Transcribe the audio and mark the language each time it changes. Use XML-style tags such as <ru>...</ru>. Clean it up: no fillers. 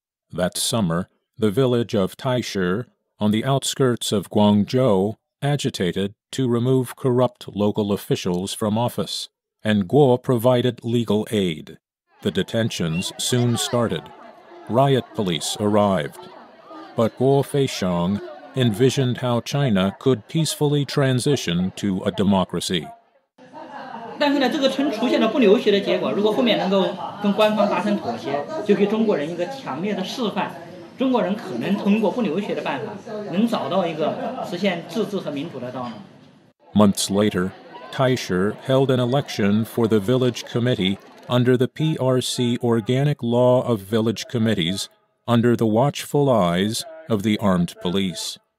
<en>That summer, the village of Taishi, on the outskirts of Guangzhou, agitated to remove corrupt local officials from office, and Guo provided legal aid. The detentions soon started. Riot police arrived. But Guo Feixiong envisioned how China could peacefully transition to a democracy.</en> <zh>但是呢，这个村出现了不流血的结果，如果后面能够跟官方达成妥协，就给中国人一个强烈的示范，中国人可能通过不流血的办法，能找到一个实现自治和民主的道路。</zh> <en>Months later, Taishi held an election for the village committee under the PRC Organic Law of Village Committees under the watchful eyes of the armed police.</en>